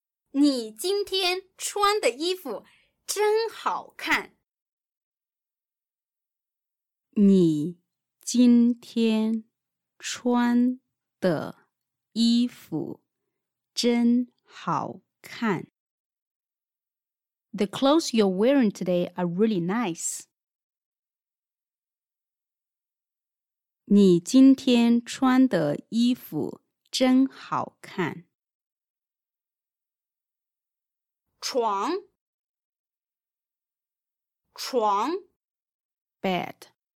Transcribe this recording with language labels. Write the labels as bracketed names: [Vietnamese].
[Chinese] 你今天穿的衣服真好看。你今天穿的衣服真好看。 [English] The clothes you're wearing today are really nice. [Chinese] 你今天穿的衣服真好看。床 [English] Bed。